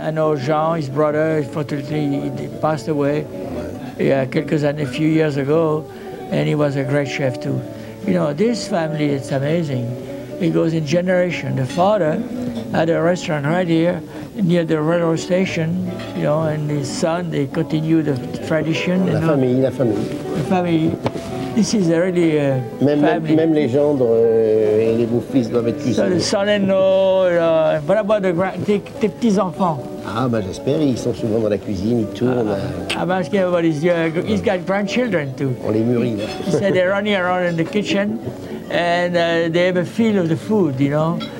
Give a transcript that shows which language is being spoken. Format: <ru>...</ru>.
<en>I know Jean, his brother, unfortunately he passed away a few years ago, and he was a great chef too. You know, this family, it's amazing. It goes in generation. The father had a restaurant right here near the railroad station, you know, and his son, they continue the tradition.</en> <fr>La famille.</fr> <en>This is really a</en> <fr>même,</fr> <en>family.</en> <fr>Même les gendres et les beaux-fils doivent être cuisinés.</fr> <en>So the son-in-law, what about</en> <fr>tes petits-enfants? Ah, ben j'espère, ils sont souvent dans la cuisine, ils tournent.</fr> <en>I'm asking about he's got grandchildren too.</en> <fr>On les mûrit.</fr> <en>He said they're running around in the kitchen and they have a feel of the food, you know.</en>